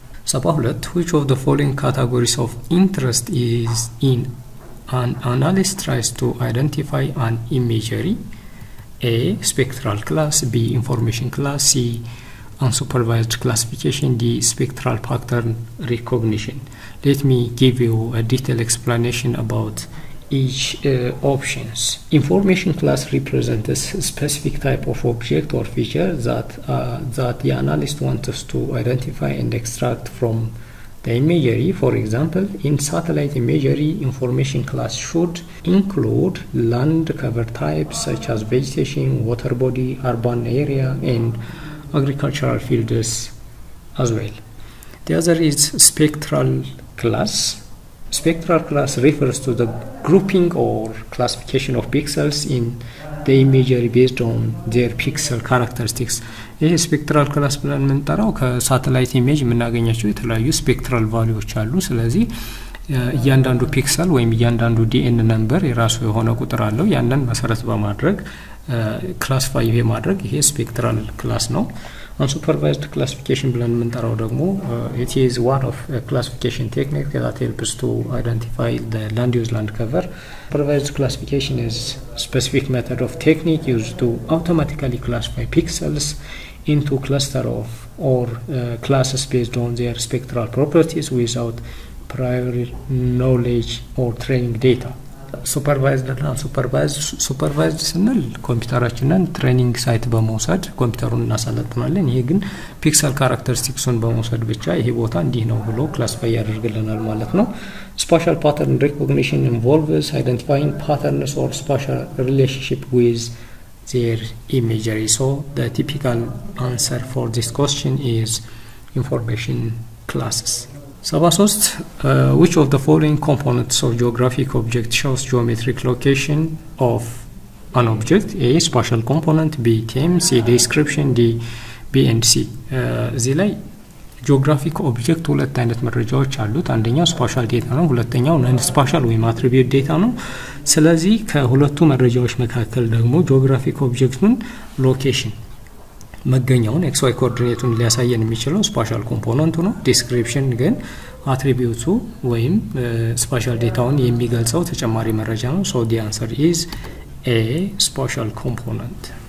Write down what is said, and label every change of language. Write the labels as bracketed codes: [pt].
[en] 72 which of the following categories of interest is in an analyst tries to identify an imagery: a spectral class, b information class, c unsupervised classification, d spectral pattern recognition. Let me give you a detailed explanation about each options. Information class represents a specific type of object or feature that the analyst wants to identify and extract from the imagery. For example, in satellite imagery, information class should include land cover types such as vegetation, water body, urban area, and agricultural fields as well. The other is spectral class. Spectral class refers to the grouping or classification of pixels in the imagery based on their pixel characteristics. [am] ይህ ስፔክትራል ክላስ ብለን የምንጠራው ከሳተላይት ኢሜጅ የምናገኛቸው የተለያዩ ስፔክትራል ቫሊዎች አሉ። ስለዚህ እያንዳንዱ ፒክሰል ወይም እያንዳንዱ ዲኤን ነምበር የራሱ የሆነ ቁጥር አለው። ያንን መሰረት በማድረግ ክላስፋይ ይሄ ማድረግ ይሄ ስፔክትራል ክላስ ነው። [en] Unsupervised classification blend mentarao dagmo it is one of classification technique that helps to identify the land use land cover. Supervised classification is specific method of technique used to automatically classify pixels into cluster of or classes based on their spectral properties without prior knowledge or training data. Supervised and unsupervised. [am] Supervised ስንል ኮምፒውተራችንን ትሬኒንግ ሳይት በመውሰድ ኮምፒውተሩን እናሳለጥናለን። ይሄ ግን ፒክሰል ካራክተሪስቲክሱን በመውሰድ ብቻ ይሄ ቦታ እንዲህ ነው ብሎ ክላስፋይ ያደርግልናል ማለት ነው። [en] Spatial pattern recognition involves identifying patterns or spatial relationship with their imagery. So the typical answer for this question is information classes. 73 which of the following components of geographic object shows geometric location of an object: a spatial component, b time, c description, d b and c. [am] ዘላይ geographic object ሁለት አይነት መረጃዎች አሉት። አንደኛው spatial data ነው፣ ሁለተኛው non spatial ወይም attribute data ነው። ስለዚህ ከሁለቱ መረጃዎች መካከል ደግሞ geographic object-ን location መገኛውን xy coordinate-ን ሊያሳየን የሚችለው spatial component ነው። description ግን attribute-ቱ ወይም spatial data-ውን የሚገልጸው ተጨማሪ መረጃ ነው። [en] so the answer is a spatial component.